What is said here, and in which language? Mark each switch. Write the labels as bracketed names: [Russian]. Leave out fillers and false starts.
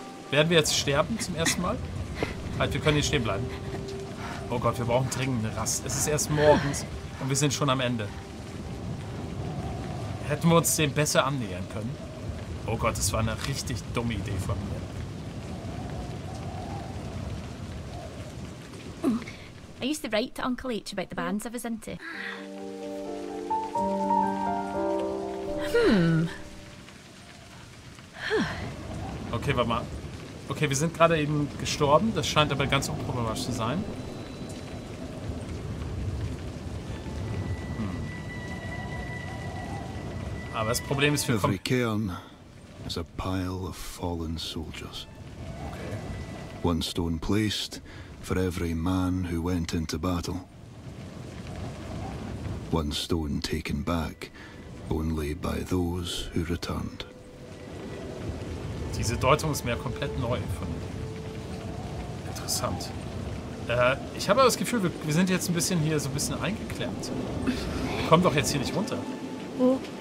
[German] Werden wir jetzt sterben zum ersten Mal? Halt, wir können hier stehen bleiben. Oh Gott, wir brauchen dringend eine Rast. Es ist erst morgens und wir sind schon am Ende. Hätten wir uns dem besser annähern können? Oh Gott, das war eine richtig dumme Idee von mir. [English] I used to write to Uncle H about the bands I was into. [German] Okay, warte mal. Okay, wir sind gerade eben gestorben. Das scheint aber ganz unproblematisch zu sein. Aber das Problem ist, [English] every cairn is a pile of fallen soldiers. Okay. One stone placed for every man who went into battle. One stone taken back only by those who returned. [German] Diese Deutung ist mir komplett neu. Von interessant. Ich habe aber das Gefühl, wir sind jetzt ein bisschen hier so ein bisschen eingeklemmt. Wir kommen doch jetzt hier nicht runter. Oh.